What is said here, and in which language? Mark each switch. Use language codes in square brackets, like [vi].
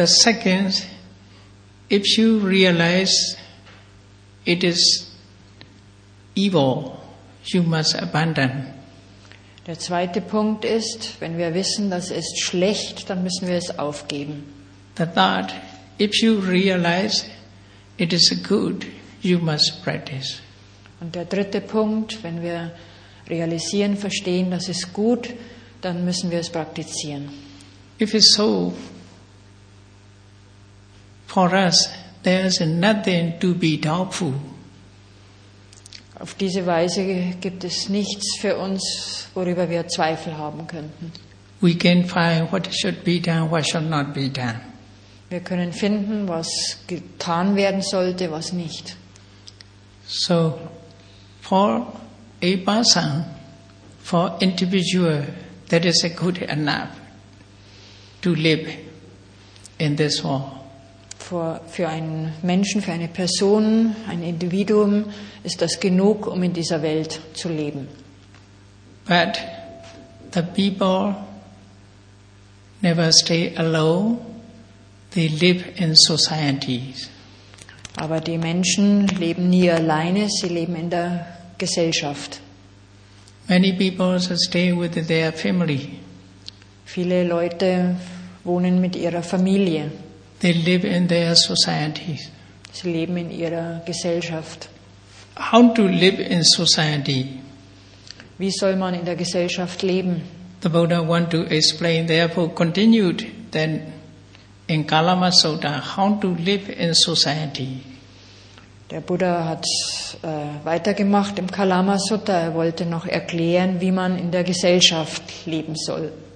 [en] If you realize it is evil, you must abandon. [de] Der zweite Punkt ist, wenn wir wissen, das ist schlecht, dann müssen wir es aufgeben. [en] The third, if you realize it is good, you must practice. [de] Und der dritte Punkt, wenn wir realisieren, verstehen, das ist gut, dann müssen wir es praktizieren. [en] If it's so, for us, there is nothing to be doubtful. [de] Auf diese Weise gibt es nichts für uns, worüber wir Zweifel haben könnten. [en] We can find what should be done, what should not be done. [de] Wir können finden, was getan werden sollte, was nicht. [en] So, for a person, for individual, that is good enough to live in this world. [de] Für einen Menschen, für eine Person, ein Individuum, ist das genug, um in dieser Welt zu leben. [en] But the people never stay alone. They live in societies. [de] Aber die Menschen leben nie alleine, sie leben in der Gesellschaft. [en] Many people stay with their family. [de] Viele Leute wohnen mit ihrer Familie. [en] They live in their societies. [de] Sie leben in ihrer Gesellschaft. [en] How to live in society? [de] Wie soll man in der Gesellschaft leben? [en] The Buddha wants to explain, therefore continued then in Kalama Sutta, how to live in society. [de] Der Buddha hat weitergemacht im Kalama Sutta. Er wollte noch erklären, wie man in der Gesellschaft leben soll.